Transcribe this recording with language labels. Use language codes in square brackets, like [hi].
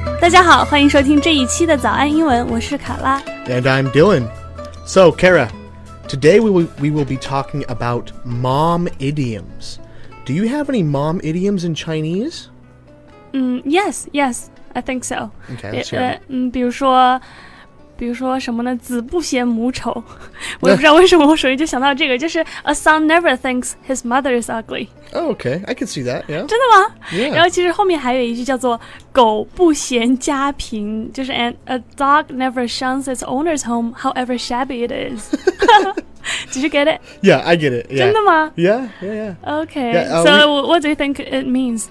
[zh] 家好，欢迎收听这一期的早安英文，我是卡拉。 [en] And I'm Dylan. So, Kara, today we will be talking about mom idioms. Do you have any mom idioms in Chinese? Yes, I think so. Okay, let's hear it. [zh] 比如说什么呢？子不嫌母丑，我也不知道为什么我首先就想到这个，就是 [en] a son never thinks his mother is ugly. Oh, okay, I can see that. Yeah. [zh] 真的吗？ [en] Yeah. 然后其实后面还有一句叫做狗不嫌家贫，就是 a dog never shuns its owner's home, however shabby it is. Did you get it? Yeah, I get it. Yeah. [zh] 真的吗？ [en] Yeah. Okay. What do you think it means?